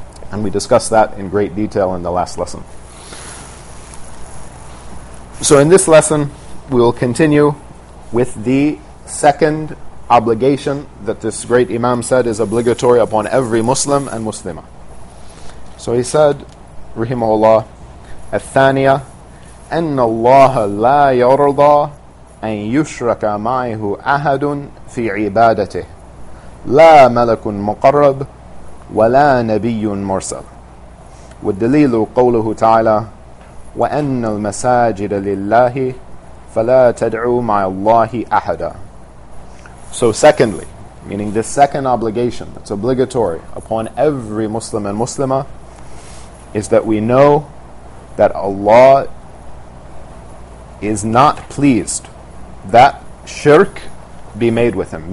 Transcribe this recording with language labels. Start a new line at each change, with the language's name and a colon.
English: And we discussed that in great detail in the last lesson. So in this lesson, we will continue with the second obligation that this great Imam said is obligatory upon every Muslim and Muslima. So he said,
Arabic: Rahimahullah, الثانية أن الله لا يرضى أن يشرك معه أحد في عبادته لا ملك مقرب ولا نبي مرسل والدليل قوله تعالى وأن المساجد لله فلا تدعوا مع الله أحدا.
English: So secondly, meaning the second obligation that's obligatory upon every Muslim and Muslima, is that we know that Allah is not pleased that shirk be made with him.